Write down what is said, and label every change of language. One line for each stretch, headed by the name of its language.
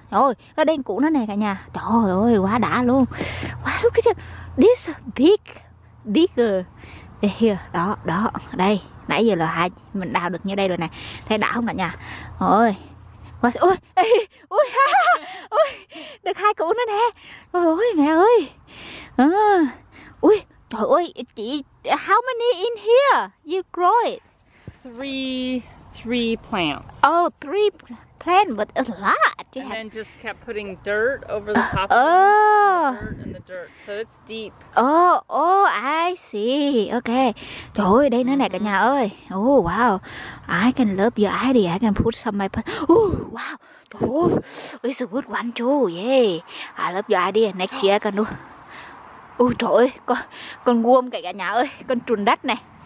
Vietnamese: Trời ơi, đây một củ nữa nè cả nhà. Trời ơi, quá đã luôn.
English: Wow, look at this big, bigger.
Vietnamese: Đó, đây. Nãy giờ là hai mình đào được như đây rồi nè. Thấy đã không cả nhà? Ôi. Ôi, được hai củ nữa nè. Ôi, mẹ ơi. Ui, Trời ơi, chị,
English: how many in here you grow it? Three plants. Oh, three plants, but a lot. And then just kept putting dirt over the top of the dirt and the dirt. So it's deep. I see. Okay.
Vietnamese: Trời ơi, đây nữa nè cả nhà ơi.
English: Oh, wow. I can love your idea. I can put some my plant. Oh, wow.
Vietnamese: Trời ơi,
English: it's a good one too. Yeah. I love your idea. Next year I can do.
Vietnamese: Ôi trời ơi, con guom cả nhà ơi, con trùn đất này.